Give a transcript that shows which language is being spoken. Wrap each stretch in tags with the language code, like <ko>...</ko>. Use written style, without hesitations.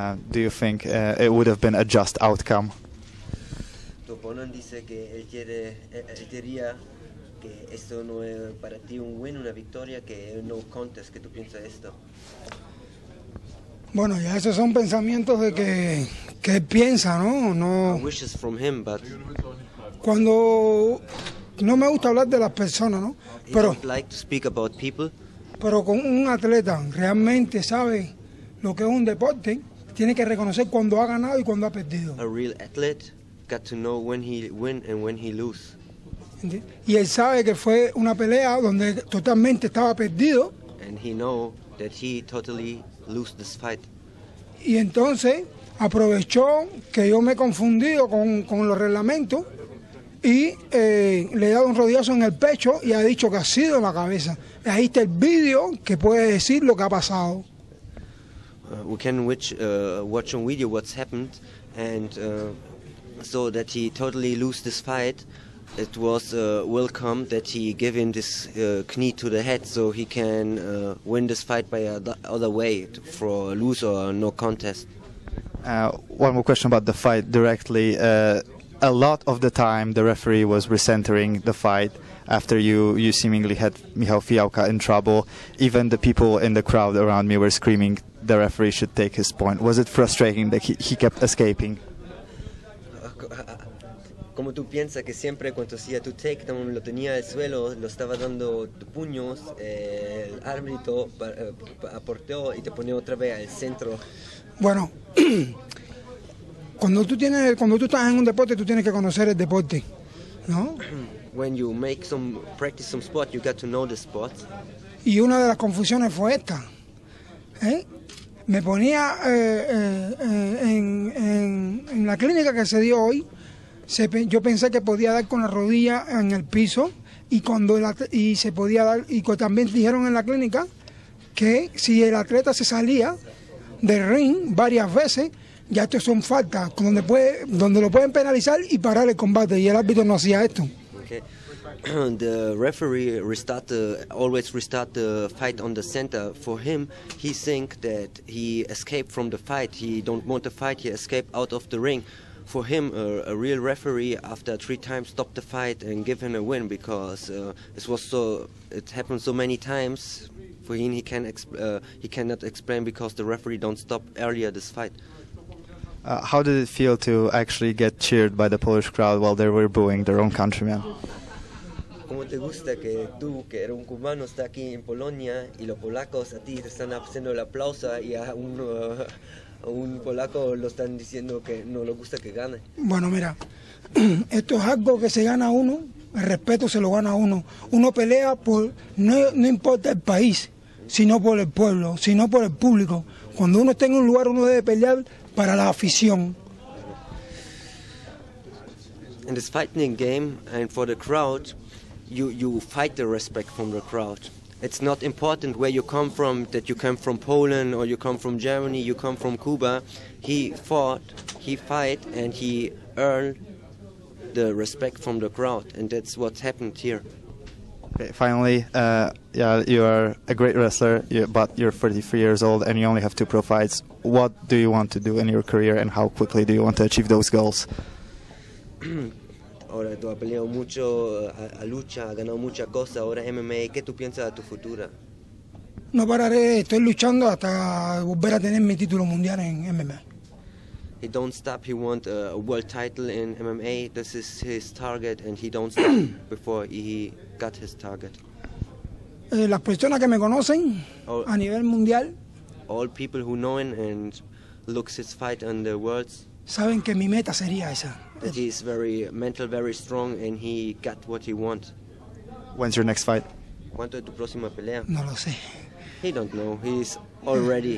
<en>Do you think it would have been a just outcome?</en> <es>Toponan dice que él quería que esto no es para ti un win, una victoria, que es no contest. ¿Qué tú piensas de esto? Bueno, ya esos son pensamientos de que piensa, ¿no? No.</es> <en>Wishes from him, but</en> <es>cuando no me gusta hablar de las personas, ¿no? Pero</es> <en>he don't like to speak about people.</en> <es>Pero con un atleta realmente sabe lo que es un deporte, tiene que reconocer cuando ha ganado y cuando ha perdido.</es> <en>A real athlete got to know when he win and when he lose.</en> <es>Y él sabe que fue una pelea donde totalmente estaba perdido.</es> <en>And he know that he totally lose this fight.</en> <es>Y entonces aprovechó que yo me he confundido con los reglamentos y le he dado un rodillazo en el pecho y ha dicho que ha sido en la cabeza. Ahí está el video que puede decir lo que ha pasado.</es> <en>We can watch on video what's happened and so that he totally lose this fight. It was welcome that he gave him this knee to the head so he can win this fight by other way, for lose or no contest. One more question about the fight directly. A lot of the time the referee was recentering the fight after you seemingly had Michal Fijalka in trouble. Even the people in the crowd around me were screaming the referee should take his point. Was it frustrating that he kept escaping?</en> <es>¿Cómo tú piensas que siempre cuando hacía tu takedown lo tenía al suelo, lo estaba dando tus puños, el árbitro aporteó y te ponía otra vez al centro? Bueno, cuando tú estás en un deporte, tú tienes que conocer el deporte, ¿no?</es> <en>When you make some practice some sport, you got to know the sport.</en> <es>Y una de las confusiones fue esta. Me ponía en la clínica que se dio hoy. Yo pensé que podía dar con la rodilla en el piso y cuando y se podía dar, y también dijeron en la clínica que si el atleta se salía del ring varias veces, ya esto son faltas donde lo pueden penalizar y parar el combate, y el árbitro no hacía esto.</es> <en>The referee always restart the fight on the center. For him, he think that he escaped from the fight, he don't want to fight, he escaped out of the ring. For him, a real referee after three times stopped the fight and give him a win, because it happened so many times. For him, he cannot explain because the referee don't stop earlier this fight. How did it feel to actually get cheered by the Polish crowd while they were booing their own countrymen?</en> <es>¿Cómo te gusta que tú, que eres un cubano, estás aquí en Polonia y los polacos a ti te están haciendo el aplauso y a un polaco lo están diciendo que no le gusta que gane? Bueno, mira, esto es algo que se gana uno, el respeto se lo gana uno. Uno pelea por, no importa el país, sino por el pueblo, sino por el público. Cuando uno está en un lugar, uno debe pelear para la afición.</es> <en>In this fighting game and for the crowd, you fight the respect from the crowd. It's not important where you come from, that you come from Poland or you come from Germany, you come from Cuba. He fought, he fight, and he earned the respect from the crowd. And that's what's happened here. Okay, finally, you are a great wrestler, but you're 33 years old and you only have two pro fights. What do you want to do in your career and how quickly do you want to achieve those goals?</en> <es>Ahora tú has peleado mucho, a lucha, has ganado muchas cosas. Ahora MMA, ¿qué tú piensas de tu futuro? No pararé, estoy luchando hasta volver a tener mi título mundial en MMA.</es> <en>He don't stop, he want a world title in MMA. This is his target and he don't stop before he got his target.</en> <es>Las personas que me conocen</es> <en>all,</en> <es>a nivel mundial,</es> <en>all people who know him and looks his fight in the world,</en> <es>saben que mi meta sería esa.</es> <en>He is very mental, very strong and he got what he want. When's your next fight?</en> <es>¿Cuánto es tu próxima pelea? No lo sé.</es> <en>He don't know. He's already.</en>